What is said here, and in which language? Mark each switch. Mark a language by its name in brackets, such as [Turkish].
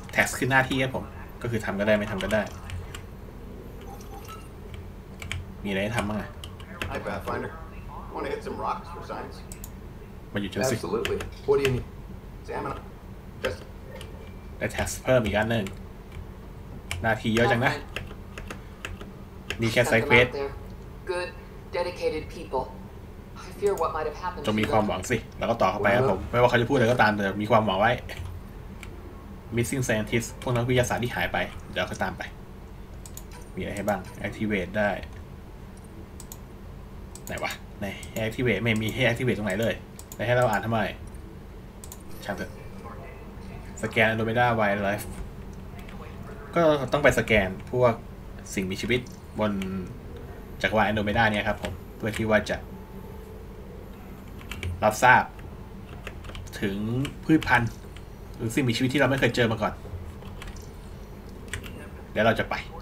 [Thai] Test คือหน้าที่ครับผมก็คือทำก็ได้ไม่ทำก็ได้มีอะไรให้ทำบ้างอ่ะ [English] Hi Pathfinder Wanna hit some rocks for science [Thai] มาอยู่ชั้นสิ [English] Absolutely What do you need? Examine [Thai] Just ได้ test เพิ่มอีกอันหนึ่งนาทีเยอะจังนะมีแค่ side quest [English] Good dedicated people I fear what might have happened [Thai] จงมีความหวังสิแล้วก็ต่อเข้าไปครับผมไม่ว่าเขาจะพูดอะไรก็ตามแต่มีความหวังไว้Missing Scientist พวกนักวิทยาศาสตร์ที่หายไปเดี๋ยวเขาตามไปมีอะไรให้บ้าง Activate ได้ ไหนวะไหน Activate ไม่มีให้ Activate ตรงไหนเลยแล้วให้เราอ่านทำไมช่างเถอะสแกน Andromeda Wildlife ก็ต้องไปสแกนพวกสิ่งมีชีวิตบนจักรวาล Andromeda เนี่ยครับผมเพื่อที่ว่าจะรับทราบถึงพืชพันธุ์หรือสิ่งมีชีวิตที่เราไม่เคยเจอมาก่อนเดี๋ยวเราจะไป